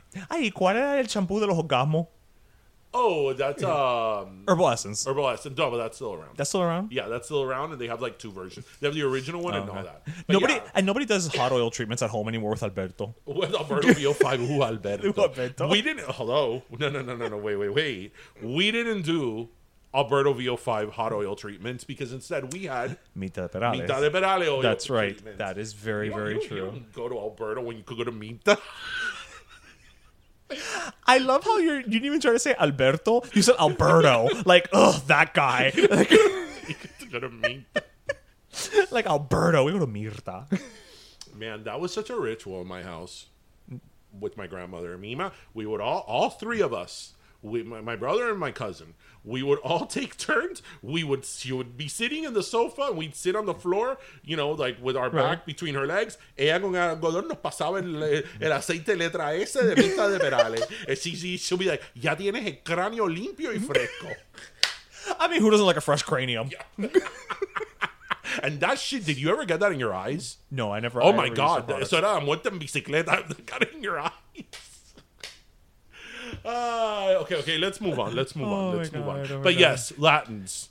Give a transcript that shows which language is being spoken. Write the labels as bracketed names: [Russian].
[Spanish] Ay, ¿cuál era el champú de los Ogamo? [English] Oh, that's... Herbal Essence. Herbal Essence. No, but that's still around. That's still around? Yeah, that's still around, and they have like two versions. They have the original one and all that. Nobody does hot oil treatments at home anymore with Alberto. With Alberto V05. Who Alberto? We didn't... Hello? No. Wait. We didn't do Alberto V05 hot oil treatments because instead we had... Mita de Perales oil. That's right. That is very, very true. You go to Alberto when you could go to Mita... I love how you didn't even try to say Alberto. You said Alberto. Like, ugh, that guy. Like, you get to go to Mirta. Like, Alberto. We go to Mirta. man, that was such a ritual in my house with my grandmother and Mima. We would all three of us, my brother and my cousin, we would all take turns. She would be sitting in the sofa, and we'd sit on the floor, you know, like with our back between her legs. [Spanish] Ella con el algodón nos pasaba el aceite letra S de pinta de perales. [English] She'll be like, [Spanish] ya tienes el cráneo limpio y fresco. [English] I mean, who doesn't like a fresh cranium? Yeah. And that shit, did you ever get that in your eyes? No, I never. Oh, I my never God. So now I'm with them bicicleta. Got it in your eyes. Okay, let's move on. But yes, Latins.